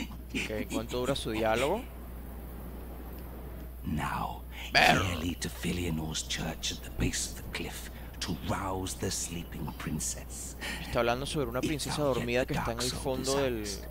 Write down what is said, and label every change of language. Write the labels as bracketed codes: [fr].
[es] Okay, ¿cuánto dura su diálogo? [en] Now, merely to Filianor's church at the base of the cliff to rouse the sleeping princess. [es] Está hablando sobre una princesa dormida que está en el fondo del.